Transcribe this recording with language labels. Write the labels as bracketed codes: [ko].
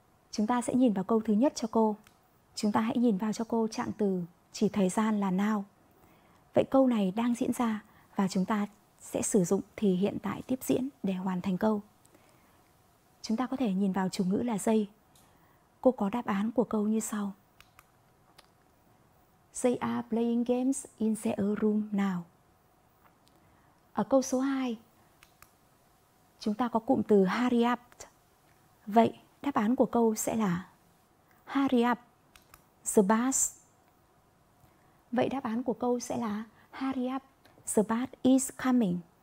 [vi] Chúng ta sẽ nhìn vào câu thứ nhất cho cô. Chúng ta hãy nhìn vào cho cô trạng từ chỉ thời gian là now. Vậy câu này đang diễn ra và chúng ta sẽ sử dụng thì hiện tại tiếp diễn để hoàn thành câu. Chúng ta có thể nhìn vào chủ ngữ là they. Cô có đáp án của câu như sau. [en] They are playing games in their room now. [vi] Ở câu số 2, chúng ta có cụm từ hurry up. Vậy đáp án của câu sẽ là hurry up, the bus. Vậy đáp án của câu sẽ là hurry up, the bus is coming.